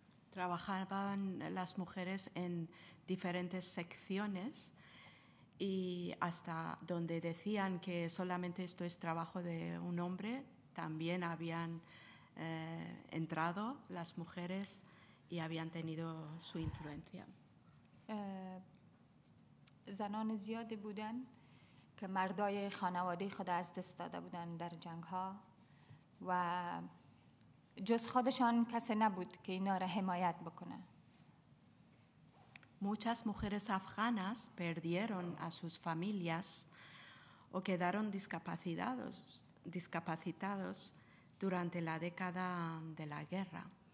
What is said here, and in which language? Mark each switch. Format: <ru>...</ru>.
<es>Trabajaban las mujeres en diferentes secciones y hasta donde decían que solamente esto es trabajo de un hombre, también habían entrado las mujeres y habían tenido su influencia.</es> <fa>زنان زیاد بودن که مردای خانواده خود از دست داده بودن در جنگ ها و جز خودشان کسی نبود که اینا را حمایت بکنه.</fa> <es>Muchas mujeres afganas perdieron a sus familias o quedaron discapacitados durante la década de la guerra.</es>